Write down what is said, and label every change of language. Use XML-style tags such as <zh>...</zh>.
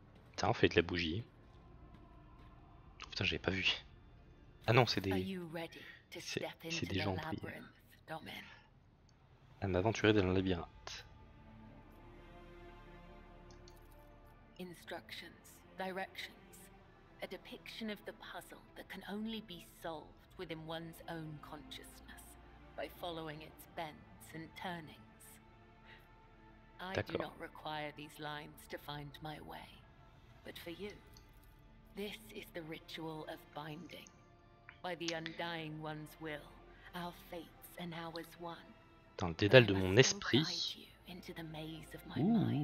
<fr>Putain, on fait de la bougie. Putain, j'avais pas vu. Ah non, c'est des... C'est des gens en prière. À m'aventurer dans le labyrinthe.</fr> <en>Instructions, directions, a depiction of the puzzle that can only be solved within one's own consciousness by following its bends and turnings. I do not require these lines to find my way, but for you, this is the ritual of binding. By the undying one's will, our fates and ours one.</en> <fr>Dans le dédale de mon esprit. Ouh.</fr>